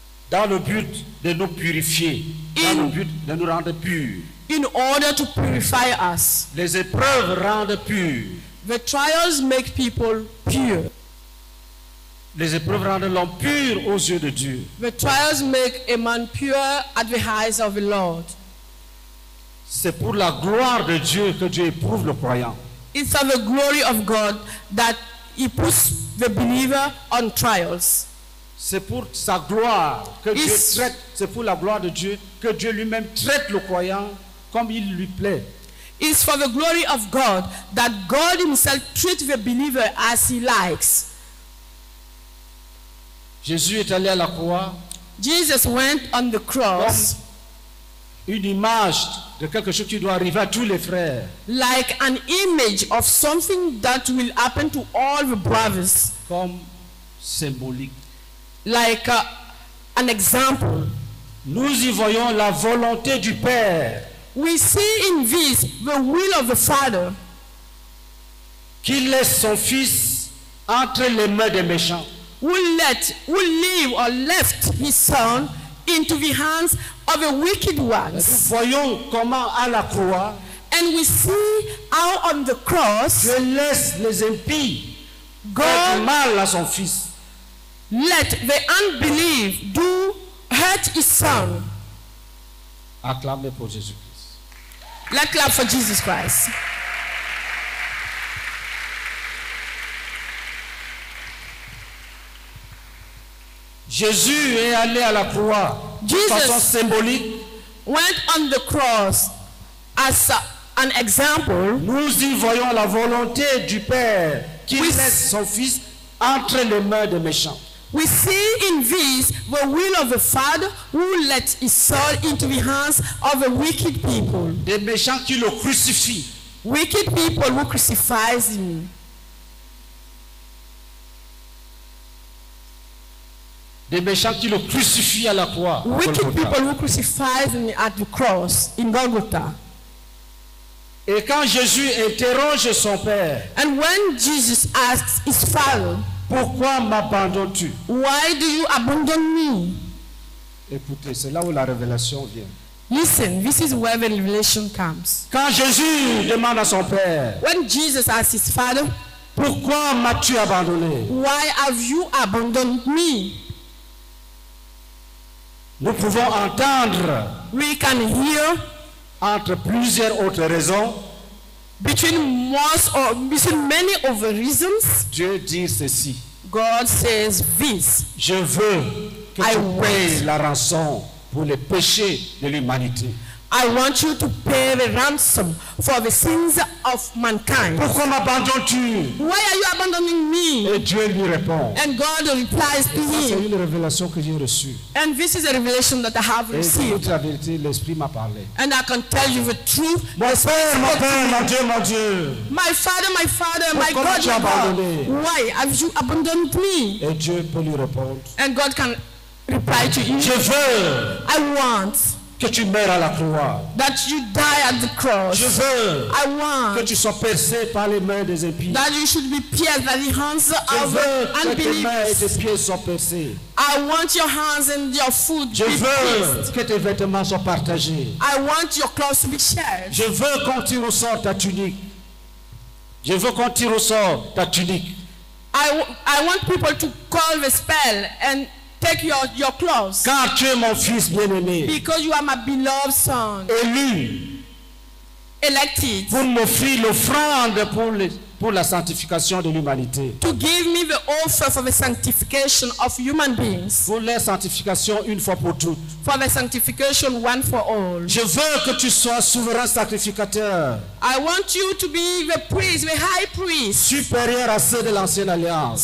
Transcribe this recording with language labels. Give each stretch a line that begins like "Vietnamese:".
French: Dans le but de nous purifier.
English: In,
French: dans le but de nous rendre purs.
English: In order to purify us.
French: Les épreuves rendent purs.
English: The trials make people pure.
French: Les épreuves rendent l'homme pur aux yeux de Dieu.
English: The trials make a man pure at the eyes of the Lord.
French: C'est pour la gloire de Dieu que Dieu éprouve le croyant.
English: It's for the glory of God that he puts the believer on trials.
French: C'est pour sa gloire que Dieu traite, c'est pour la gloire de Dieu que Dieu lui-même traite le croyant comme il lui plaît.
English: It's for the glory of God that God himself treats the believer as he likes.
French: Jésus est allé à la croix.
English: Jesus went on the cross.
French: Une image de quelque chose qui doit arriver à tous les frères.
English: Like an image of something that will happen to all the brothers.
French: Comme symbolique.
English: Like an example.
French: Nous y voyons la volonté du Père.
English: We see in this the will of the Father.
French: qui laisse son fils entre les mains des méchants.
English: Who leave or left his son into the hands of the wicked ones.
French: Voyons comment à la croix.
English: And we see how on the cross.
French: Dieu laisse les impies faire du mal à son fils.
English: Let the unbelief do hurt his son.
French: Acclamez pour Jésus Christ.
English: Let's clap for Jesus Christ.
French: Jésus est allé à la croix de façon symbolique.
English: Went on the cross as an example.
French: Nous y voyons la volonté du Père qui laisse son fils entre les mains des méchants.
English: We see in this the will of the Father who let his soul into the hands of the wicked people.
French: Des méchants qui le crucifient.
English: Wicked people who crucifies him.
French: Des méchants qui le crucifient à la croix.
English: Wicked people who crucifies him at the cross in Golgotha.
French: Et quand Jésus interroge son père.
English: And when Jesus asks his father.
French: Pourquoi m'abandonnes-tu?
English: Why do you abandon me?
French: Écoutez, c'est là où la révélation vient.
English: Listen, this is where the revelation comes.
French: Quand Jésus demande à son père.
English: When Jesus asks his father.
French: Pourquoi m'as-tu abandonné?
English: Why have you abandoned me?
French: Nous pouvons entendre.
English: We can hear.
French: Entre plusieurs autres raisons.
English: Between most or between many other reasons.
French: Dieu dit ceci.
English: God says this.
French: Je veux que tu payes la rançon pour les péchés de l'humanité.
English: I want you to pay the ransom for the sins of mankind.
French: Pourquoi m'abandonnes-tu?
English: Why are you abandoning me?
French: Et Dieu lui répond.
English: And God replies to him.
French: C'est une révélation que j'ai reçue.
English: And this is a revelation that I have
French: et
English: received.
French: Et la vérité, l'Esprit m'a parlé.
English: And I can tell you the truth.
French: Mon Père, mon Dieu.
English: My Father,
French: Pourquoi m'as-tu abandonné?
English: Why have you abandoned me?
French: Et Dieu peut lui répondre.
English: And God can reply to him.
French: Je veux.
English: I want.
French: Que tu meurs à la croix.
English: That you die at the cross.
French: Je veux.
English: I want.
French: Que tu sois percé par les mains des impies.
English: That you should be pierced by the hands
French: je
English: of unbelievers.
French: Que tes mains et tes pieds soient percés.
English: I want your hands and your foot
French: je
English: be
French: veux
English: pierced.
French: Que tes vêtements soient partagés.
English: I want your clothes to be shared.
French: Je veux qu'on tire au sort ta tunique. Je veux qu'on tire au sort ta tunique.
English: I want people to call the spell and take your clothes.
French: Car tu es mon fils bien-aimé.
English: Because you are my beloved son.
French: Élu.
English: Elected.
French: Pour m'offrir l'offrande pour la sanctification de l'humanité.
English: To give me the offer for the sanctification of human beings.
French: Pour la sanctification une fois pour toutes.
English: For the sanctification one for all.
French: Je veux que tu sois souverain sacrificateur.
English: I want you to be the priest, the high priest.
French: Supérieur à ceux de l'ancienne alliance.